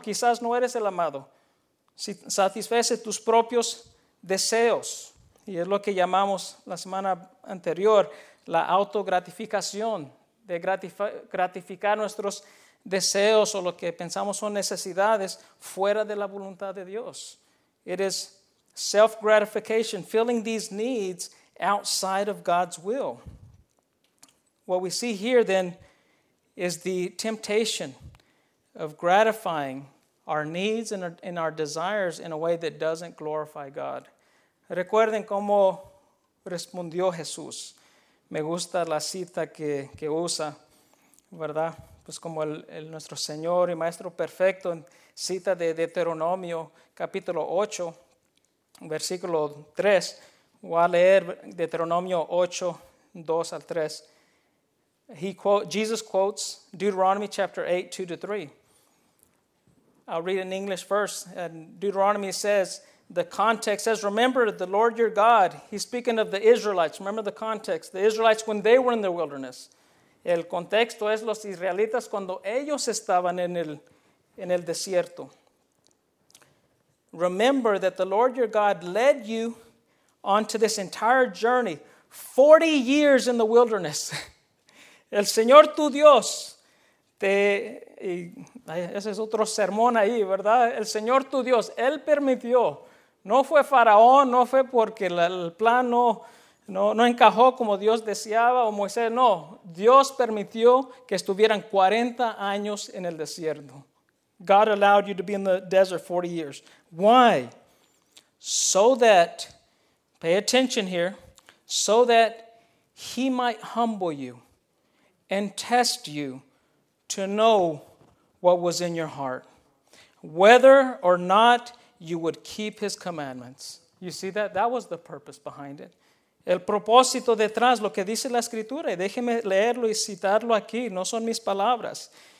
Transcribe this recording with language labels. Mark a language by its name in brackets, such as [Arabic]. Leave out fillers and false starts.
[Spanish] Quizás no eres el amado. Si satisface tus propios deseos. Y es lo que llamamos la semana anterior la autogratificación, de gratificar nuestros deseos o lo que pensamos son necesidades fuera de la voluntad de Dios. [English] It is self-gratification, filling these needs outside of God's will. What we see here then is the temptation of gratifying our needs and our desires in a way that doesn't glorify God. [Spanish] Recuerden cómo respondió Jesús. Me gusta la cita que usa, ¿verdad? Pues como el nuestro Señor y Maestro perfecto, en cita de Deuteronomio, capítulo 8, versículo 3. Voy a leer Deuteronomio 8, 2 al 3. [English] Jesus quotes Deuteronomy chapter 8, 2 to 3. I'll read in English first. And Deuteronomy says, the context says, remember the Lord your God. He's speaking of the Israelites. Remember the context. The Israelites when they were in the wilderness. [Spanish] El contexto es los israelitas cuando ellos estaban en el desierto. [English] Remember that the Lord your God led you onto this entire journey. 40 years in the wilderness. [Spanish] El Señor tu Dios te... Y ese es otro sermón ahí, ¿verdad? El Señor tu Dios, Él permitió... No fue Faraón, no fue porque el plan no encajó como Dios deseaba o Moisés, no. Dios permitió que estuvieran 40 años en el desierto. [English] God allowed you to be in the desert 40 years. Why? So that, pay attention here, so that he might humble you and test you to know what was in your heart. Whether or not you would keep his commandments. You see that? That was the purpose behind it. [Spanish] El propósito detrás, lo que dice la Escritura, y déjeme leerlo y citarlo aquí, no son mis palabras.